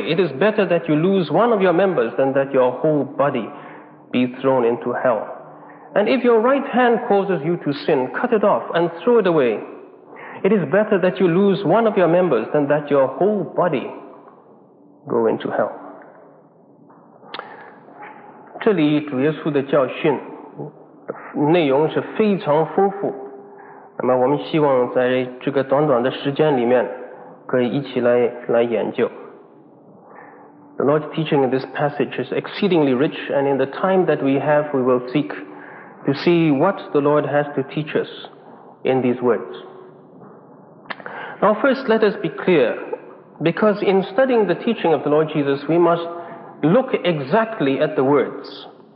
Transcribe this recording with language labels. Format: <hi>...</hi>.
<en>It is better that you lose one of your members than that your whole body be thrown into hell. And if your right hand causes you to sin, cut it off and throw it away. It is better that you lose one of your members than that your whole body go into hell.</en> <zh>这里主耶稣的教训内容是非常丰富，那么我们希望在这个短短的时间里面可以一起来研究。</zh> <en>The Lord's teaching in this passage is exceedingly rich, and in the time that we have, we will seek to see what the Lord has to teach us in these words. Now first let us be clear, because in studying the teaching of the Lord Jesus, we must look exactly at the words.</en>